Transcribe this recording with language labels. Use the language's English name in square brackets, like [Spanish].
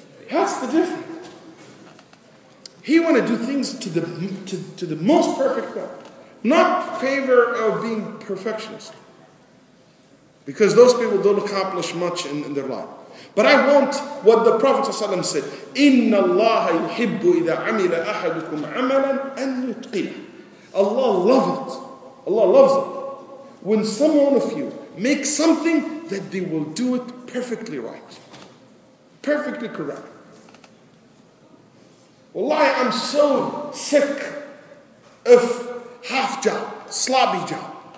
[English] That's the difference. He want to do things to the most perfect way. Not favor of being perfectionist. Because those people don't accomplish much in their life. But I want what the Prophet ﷺ said. [Arabic] إِنَّ اللَّهَ يُحِبُّ إِذَا عَمِلَ أَحَدُكُمْ عَمَلًا أَنْ يُتْقِنَ [English] Allah loves it. Allah loves it. When someone of you make something that they will do it perfectly right. Perfectly correct. Wallahi, I'm so sick of half job, sloppy job.